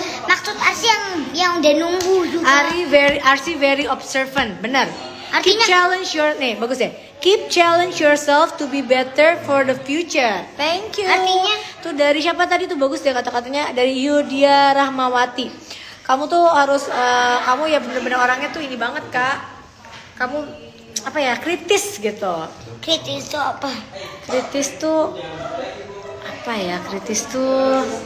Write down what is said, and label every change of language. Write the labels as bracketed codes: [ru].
[id] Maksud Arsi yang udah nunggu juga. Arsi [en] very observant, [id] benar. Artinya, [en] keep challenge your [id] nih bagus ya. [en] Keep challenge yourself to be better for the future. Thank you. [id] Artinya tuh dari siapa tadi tuh bagus ya kata-katanya, dari Yudia Rahmawati. Kamu tuh harus kamu ya benar-benar orangnya tuh ini banget kak. Kamu apa ya, kritis gitu. Kritis tuh apa? Kritis tuh apa ya? Kritis tuh.